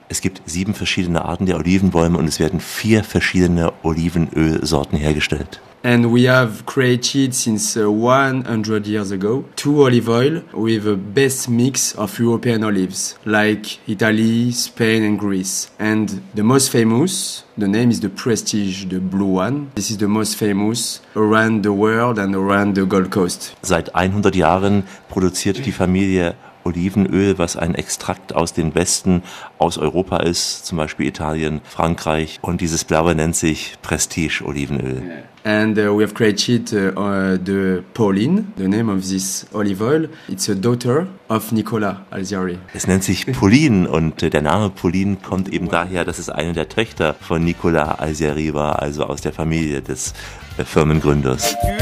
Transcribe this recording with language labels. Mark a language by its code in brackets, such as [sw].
[de] Es gibt 7 verschiedene Arten der Olivenbäume und es werden 4 verschiedene Olivenölsorten hergestellt. [en] And we have created since 100 years ago 2 olive oil with the best mix of European olives like Italy, Spain and Greece. And the most famous, the name is the Prestige, the blue one. This is the most famous around the world and around the Gold Coast. [de] Seit 100 Jahren produziert die Familie Olivenöl, was ein Extrakt aus den Westen, aus Europa ist, zum Beispiel Italien, Frankreich. Und dieses Blaue nennt sich Prestige Olivenöl. [en] And we have created the Pauline, the name of this olive oil. It's a daughter of Nicolas Alziari. [de] Es nennt sich Pauline und der Name Pauline kommt eben daher, dass es eine der Töchter von Nicolas Alziari war, also aus der Familie des Firmengründers.